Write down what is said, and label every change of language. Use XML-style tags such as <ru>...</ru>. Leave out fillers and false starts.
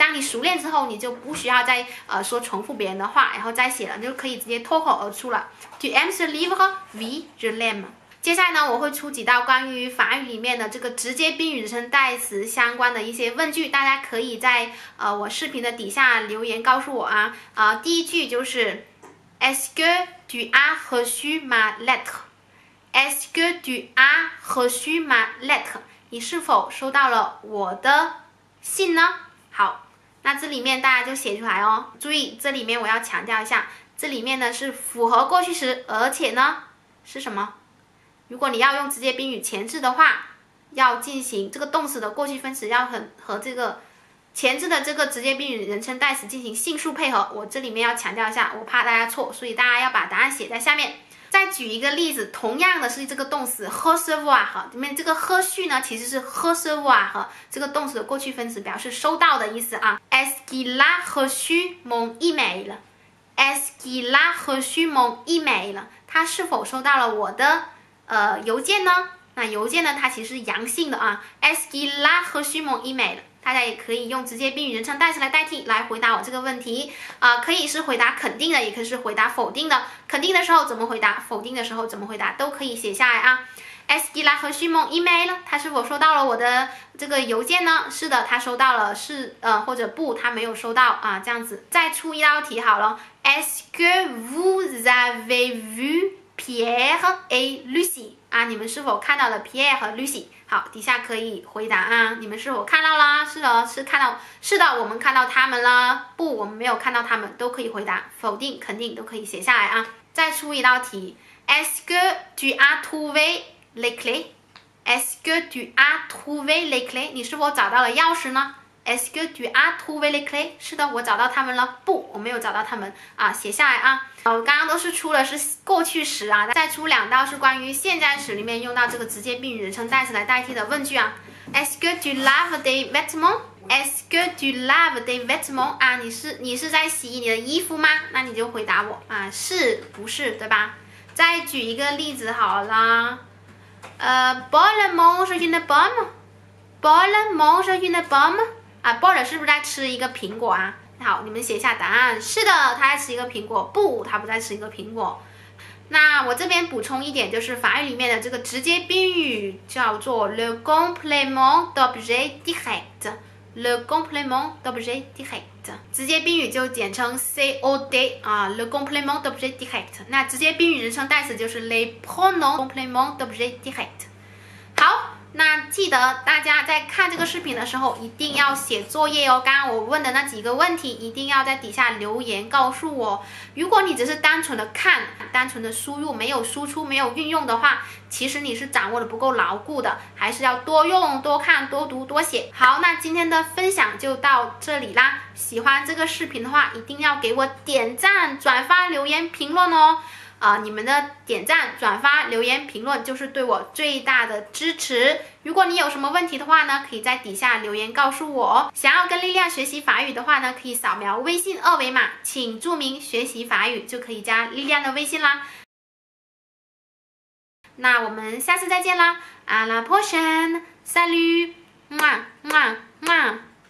<zh>当你熟练之后，你就不需要再说重复别人的话，然后再写了，你就可以直接脱口而出了。</zh> <fr>Tu aimes ce livre? Oui, je l'aime.</fr> <zh>接下来呢，我会出几道关于法语里面的这个直接宾语人称代词相关的一些问句，大家可以在我视频的底下留言告诉我啊。第一句就是</zh> <fr>Est-ce que tu as reçu ma lettre? Est-ce que tu as reçu ma lettre?</fr> <zh>你是否收到了我的信呢？好，那这里面大家就写出来哦。注意，这里面我要强调一下，这里面呢是符合过去时，而且呢是什么？如果你要用直接宾语前置的话，要进行这个动词的过去分词要和这个前置的这个直接宾语人称代词进行性数配合。我这里面要强调一下，我怕大家错，所以大家要把答案写在下面。再举一个例子，同样的是这个动词 recevoir， 里面这个 reçu 呢其实是 recevoir 这个动词的过去分词，表示收到的意思啊。</zh> <fr>Est-ce qu'il a reçu mon email? Est-ce qu'il a reçu mon email?</fr> <zh>他是否收到了我的邮件呢？那邮件呢它其实是阳性的啊。</zh> <fr>Est-ce qu'il a reçu mon email，</fr> <zh>大家也可以用直接宾语人称代词来代替来回答我这个问题。可以是回答肯定的，也可以是回答否定的。肯定的时候怎么回答，否定的时候怎么回答，都可以写下来啊。</zh> <fr>Est-ce qu'il a reçu mon email，</fr> <zh>他是否收到了我的这个邮件呢？是的他收到了，是或者不他没有收到啊，这样子。再出一道题好了。</zh> <fr>Est-ce que vous avez vuPierre et Lucie</fr> <zh>啊，你们是否看到了 Pierre 和 Lucie？好，底下可以回答啊，你们是否看到啦？是的，是看到，是的，我们看到他们了。不，我们没有看到他们，都可以回答，否定、肯定都可以写下来啊。再出一道题</zh> <fr>，Est-ce que tu as trouvé les clés？ Est-ce que tu as trouvé les clés？</fr> <zh>你是否找到了钥匙呢？</zh> <fr>Est-ce que tu as trouvé les clés？</fr> <zh>是的，我找到他们了。不，我没有找到他们啊，写下来啊。刚刚都是出了是过去时啊，再出两道是关于现在时里面用到这个直接宾语人称代词来代替的问句啊。</zh> <fr>Est-ce que tu laves des vêtements? Est-ce que tu laves des vêtements?</fr> <zh>啊，你是在洗你的衣服吗？那你就回答我啊，是不是，对吧？再举一个例子好了。</zh> <fr>Bois le mange une pomme? Bois le mange une pomme?</fr> <zh>啊 ,Bois 是不是在吃一个苹果啊？好，你们写下答案。是的，他在吃一个苹果。不，他不在吃一个苹果。那我这边补充一点，就是法语里面的这个直接宾语叫做</zh> <fr>le complément d'objet direct。 Le complément d'objet direct，</fr> <zh>直接宾语就简称 COD 啊。</zh> <fr>Le complément d'objet direct，</fr> <zh>那直接宾语人称代词就是</zh> <fr>le pronom complément d'objet direct。</fr> <zh>好，那记得大家在看这个视频的时候一定要写作业哦。刚刚我问的那几个问题，一定要在底下留言告诉我。如果你只是单纯的看，单纯的输入，没有输出，没有运用的话，其实你是掌握的不够牢固的，还是要多用、多看、多读、多写。好，那今天的分享就到这里啦。喜欢这个视频的话，一定要给我点赞、转发、留言、评论哦。你们的点赞、转发、留言、评论就是对我最大的支持。如果你有什么问题的话呢，可以在底下留言告诉我。想要跟莉莉亚学习法语的话呢，可以扫描微信二维码，请注明学习法语，就可以加莉莉亚的微信啦。那我们下次再见啦，</zh> <fr>à la prochaine，salut，</fr> <zh>mua mua mua。</zh>